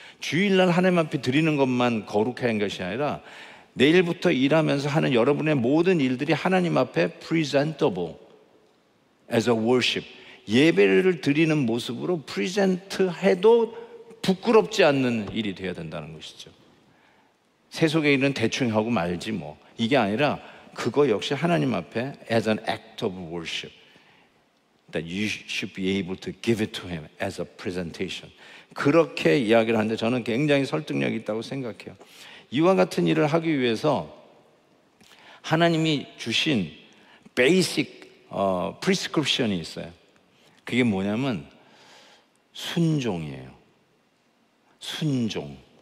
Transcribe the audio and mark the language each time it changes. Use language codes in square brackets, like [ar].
[ko] 주일날 하나님 앞에 드리는 것만 거룩한 것이 아니라 내일부터 일하면서 하는 여러분의 모든 일들이 하나님 앞에 [en] presentable as a worship, [ko] 예배를 드리는 모습으로 present해도 부끄럽지 않는 일이 되어야 된다는 것이죠. 세속의 일은 대충 하고 말지 뭐. 이게 아니라 그거 역시 하나님 앞에 [en] as an act of worship that you should be able to give it to him as a presentation. [ko] 그렇게 이야기를 하는데 저는 굉장히 설득력이 있다고 생각해요. 이와 같은 일을 하기 위해서 하나님이 주신 basic prescription이 있어요. 그게 뭐냐면 순종이에요. 순종.